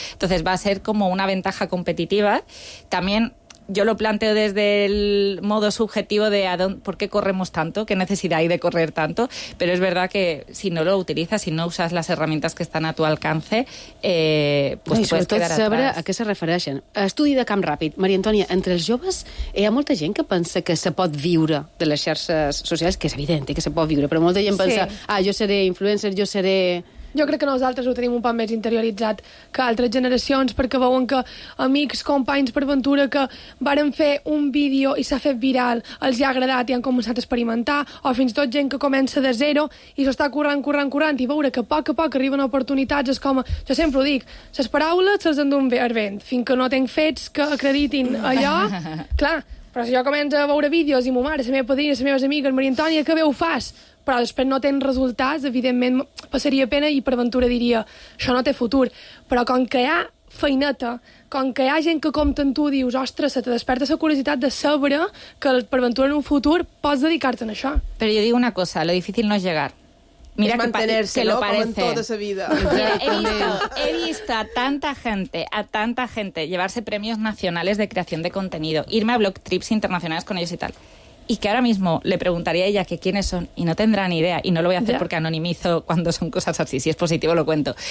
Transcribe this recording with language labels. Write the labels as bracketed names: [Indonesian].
[Spanish] Entonces va a ser como una ventaja competitiva. También yo lo planteo desde el modo subjetivo de por qué corremos tanto, qué necesidad hay de correr tanto, pero es verdad que si no lo utilizas, si no usas las herramientas que están a tu alcance, pues puedes quedar atrás. [Catalan] I sobretot saber a què se refereixen. Estudi de camp ràpid. Maria Antònia, entre els joves hi ha molta gent que pensa que se pot viure de les xarxes socials, que és evident que se pot viure, però molta gent pensa, ah, jo seré influencer, jo seré... Jo crec que nosaltres ho tenim un poc més interioritzat que altres generacions, perquè veuen que amics, companys, per ventura, que varen fer un vídeo i s'ha fet viral, els hi ha agradat i han començat a experimentar, o fins i tot gent que comença de zero i s'està currant, i veure que a poc arriben oportunitats, és com, jo sempre ho dic, les paraules se'ls endun al vent, fins que no tenc fets que acreditin allò, clar, però si jo començo a veure vídeos i mo mare, la meva padrina, les meves amigues, Maria Antònia, que bé ho fas? Però després no tens resultats, evidentment passaria pena i per ventura diria això no té futur. Però com que hi ha feineta, com que hi ha gent que compta amb tu, dius, ostres, se te desperta la curiositat de saber que per ventura en un futur pots dedicar-te a això. Però jo dic una cosa, lo difícil no és llegar. [Spanish] Mira, es mantenerse, que lo ¿no? parece. Como en toda su vida. He visto a tanta gente llevarse premios nacionales de creación de contenido, irme a blog trips internacionales con ellos y tal. Y que ahora mismo le preguntaría a ella que quiénes son y no tendrá ni idea. Y no lo voy a hacer porque anonimizo cuando son cosas así. Si es positivo, lo cuento.